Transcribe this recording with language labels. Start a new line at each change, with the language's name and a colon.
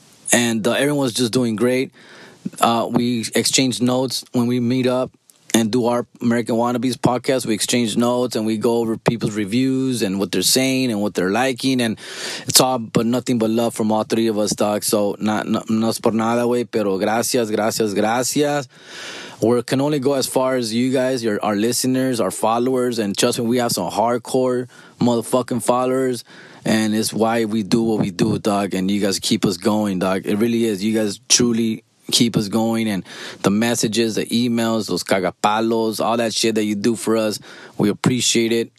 English: And everyone's just doing great. We exchange notes when we meet up and do our American Wannabes podcast. We exchange notes and we go over people's reviews and what they're saying and what they're liking. And it's all but nothing but love from all three of us, dog.
Spanish: So, no es por nada, güey, pero gracias, gracias, gracias.
English: We can only go as far as you guys, our listeners, our followers. And trust me, we have some hardcore motherfucking followers. And it's why we do what we do, dog. And you guys keep us going, dog. It really is. You guys truly keep us going, and the messages, the emails, those cagapalos, all that shit that you do for us, we appreciate it.